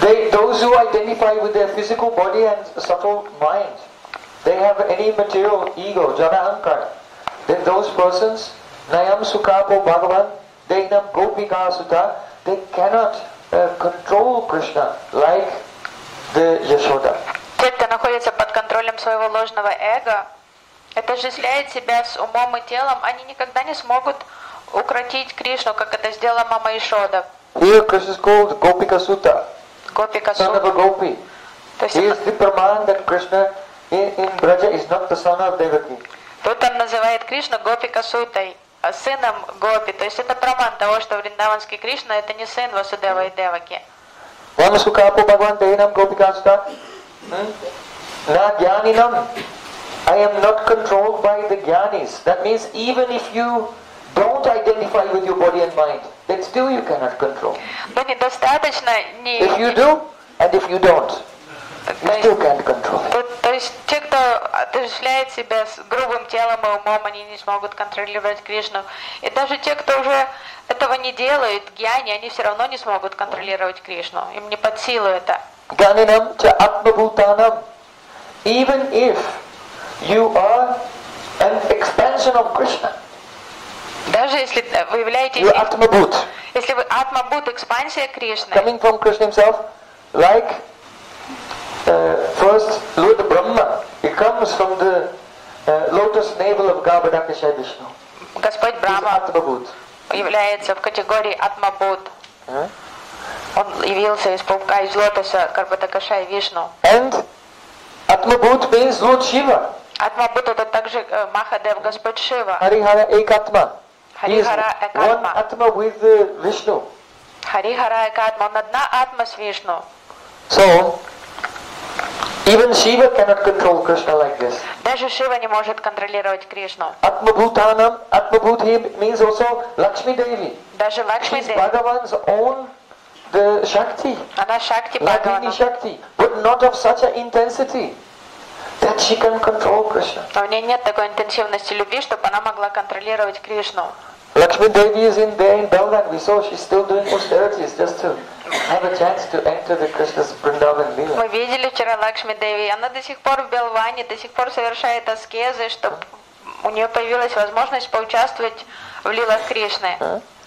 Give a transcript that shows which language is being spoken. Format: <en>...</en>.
<en>Those who identify with their physical body and subtle mind, they have any material ego, jana ankar, then those persons,</en> <sa>nayam sukapo bhagavan, deinam gopika asuta,</sa> <en>they cannot control Krishna like the Yashoda.</en> <ru>Те, кто находится под контролем своего ложного эго, отождествляет себя с умом и телом, они никогда не смогут укротить Кришну, как это сделала мама Ишода.</ru> <en>Here Krishna is called Gopika Sutta.</en> <sa>Gopika Sutta.</sa> <en>Son of a Gopi. He is the praman that Krishna in Braja is not the son of Devaki.</en> <ru>Тут он называет Кришну Гопика Сутой, сыном Гопи. То есть это праман того, что вриндаванский Кришна это не сын Васудева и Деваки.</ru> <sa>Вам сукапу Бхагаван Дейнам Гопика Сутта. Na jnaninam,</sa> <en>I am not controlled by the jnanis. That means even if you don't identify with your body and mind, then still you cannot control.</en> <ru>Но недостаточно не.</ru> <en>If you do, and if you don't, you still can't control.</en> <ru>То есть те, кто отождествляет себя с грубым телом и умом, они не смогут контролировать Кришну. И даже те, кто уже этого не делают, гьяни, они все равно не смогут контролировать Кришну. Им не под силу это.</ru> <sa>Ganinam cha atma-bhutanam.</sa> <en>Even if you are an expansion of Krishna.</en> <ru>Даже если вы являетесь...</ru> <en>You are atma-bhut.</en> <ru>Если вы atma-bhut, экспансия Кришны.</ru> <en>Coming from Krishna himself, like first Lord Brahma. It comes from the lotus navel of Garbhadakshay Vishnu.</en> <ru>Господь Брахма.</ru> <en>He is atma-bhut.</en> <ru>Является в категории atma-bhut. Он явился из пупка, из лотоса, как бы такаша и вишну.</ru> <en>And Atmabhut means Lord Shiva.</en> <ru>Atmabhut это также Махадев, Господь Шива.</ru> <sa>Харихара Экатма. Харихара Экатма.</sa> <en>One Atma with Vishnu.</en> <ru>Харихара Экатма, он одна Атма с Вишну.</ru> <en>So, even Shiva cannot control Krishna like this.</en> <ru>Даже Шива не может контролировать Кришну.</ru> <en>Atmabhutanam, Atmabhut he means also Lakshmi Devi.</en> <ru>Даже Лакшми Деви.</ru> <en>She's Bhagavan's own the Shakti.</en> <ru>Она Шакти Бхагавана. Ладини Шакти.</ru> <en>But not of such an intensity that she can control Krishna.</en> <ru>Но у нее нет такой интенсивности любви, чтобы она могла контролировать Кришну.</ru> <en>Lakshmi Devi is in there in Belgrade. We saw she's still doing austerities just to have a chance to enter the Krishna's Vrindavan Lila.</en> <ru>Мы видели вчера Лакшми Деви. Она до сих пор в Белване, до сих пор совершает аскезы, чтобы у нее появилась возможность поучаствовать в лилах Кришны.</ru>